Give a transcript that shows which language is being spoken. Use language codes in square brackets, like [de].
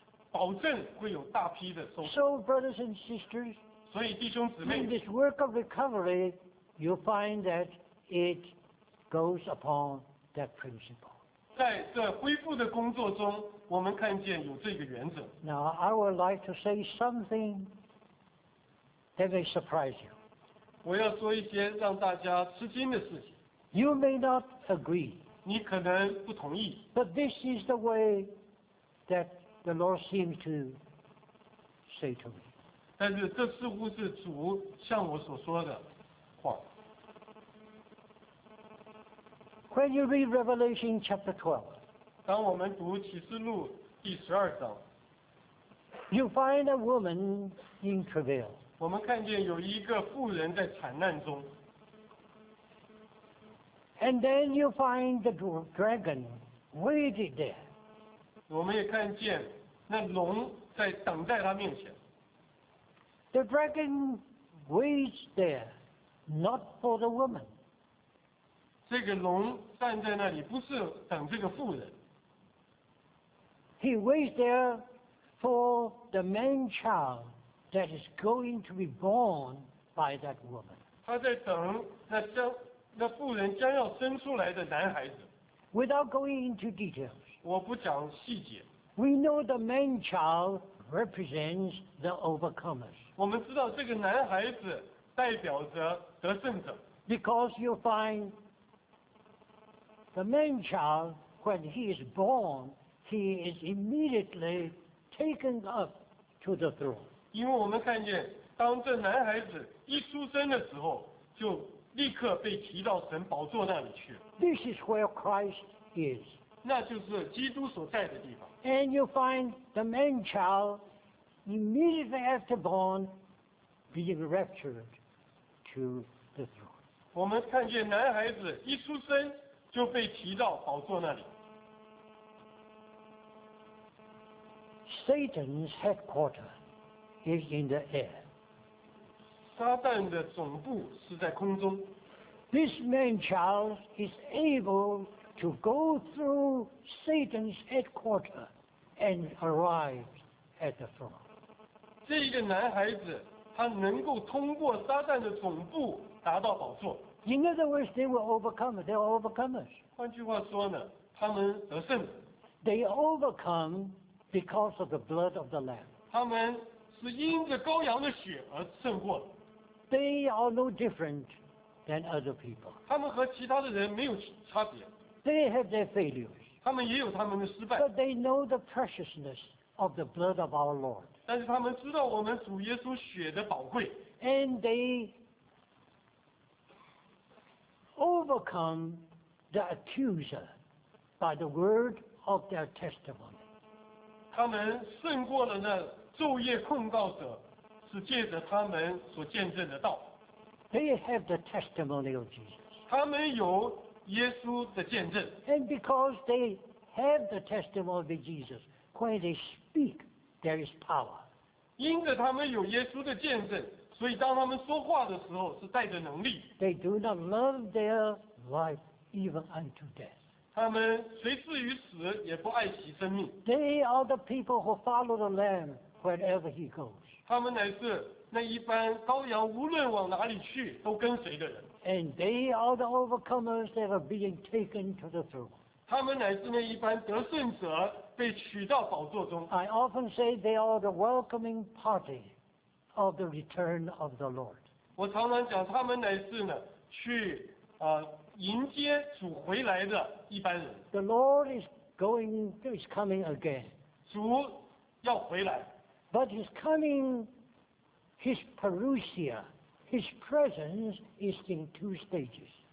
[zh] 保证会有大批的收成。 [en] So brothers and sisters. [zh] 所以弟兄姊妹 [en] In this work of recovery, you find that it goes upon that principle. [zh] 在这恢复的工作中，我们看见有这个原则。 [en] Now I would like to say something that may surprise you. [zh] 我要说一些让大家吃惊的事情。 [en] You may not agree. [zh] 你可能不同意。 [en] But this is the way that the Lord seems to say to me. [zh] 但是这似乎是主向我所说的话。 [en] When you read Revelation chapter 12, [zh] 当我们读启示录第十二章 [en] ，you find a woman in travail. [zh] 我们看见有一个妇人在惨难中。 [en] And then you find the dragon waited there. [zh] 我们也看见那龙在等在他面前。 [en] The dragon waits there, not for the woman. [zh] 这个龙站在那里，不是等这个妇人。 [en] He waits there for the man child that is going to be born by that woman. [zh] 他在等那妇人将要生出来的男孩子。 [en] Without going into details. [zh] 我不讲细节。 [en] We know the man child represents the overcomers. [zh] 我们知道这个男孩子代表着得胜者。 [en] Because you find the man child, when he is born, he is immediately taken up to the throne. [zh] 因为我们看见，当这男孩子一出生的时候，就立刻被提到神宝座那里去。 [en] This is where Christ is. [zh] 那就是基督所在的地方。 [en] And you find the man child immediately after born being raptured to the throne. [zh] 我们看见男孩子一出生就被提到宝座那里。 [en] Satan's headquarters is in the air. [zh] 撒旦的总部是在空中。 [en] This man child is able to go through Satan's headquarters and arrive at the throne. [zh] 这个男孩子他能够通过撒旦的总部达到宝座。 [en] In other words, they were overcomers. They are overcomers. [zh] 换句话说呢，他们得胜。 [en] They overcome because of the blood of the Lamb. [zh] 他们是因着羔羊的血而胜过。 [en] They are no different than other people. [zh] 他们和其他的人没有差别。 [en] They have their failures. [zh] 他们也有他们的失败。 [en] But they know the preciousness of the blood of our Lord. [zh] 但是他们知道我们主耶稣血的宝贵。 [en] And they overcome the accuser by the word of their testimony. [zh] 他们胜过了那昼夜控告者，是借着他们所见证的道。 [en] They have the testimony of Jesus. [zh] 他们有耶稣的见证。 [en] And because they have the testimony of Jesus, when they speak, there is power. [zh] 因着他们有耶稣的见证，所以当他们说话的时候是带着能力。 [en] They do not love their life even unto death. [zh] 他们随至于死也不爱惜生命。 [en] They are the people who follow the Lamb wherever he goes. [zh] 他们乃是那一般羔羊无论往哪里去都跟随的人。 [en] And they are the overcomers that are being taken to the throne. [zh] 他们乃是那一般得胜者被取到宝座中。 [en] I often say they are the welcoming party. Of the return of the Lord. [zh] 我常常讲，他们乃是呢，去迎接主回来的一般人。 [en] The Lord is coming again. [zh] 主要回来。 [en] But his coming, his parousia, his presence is in two stages.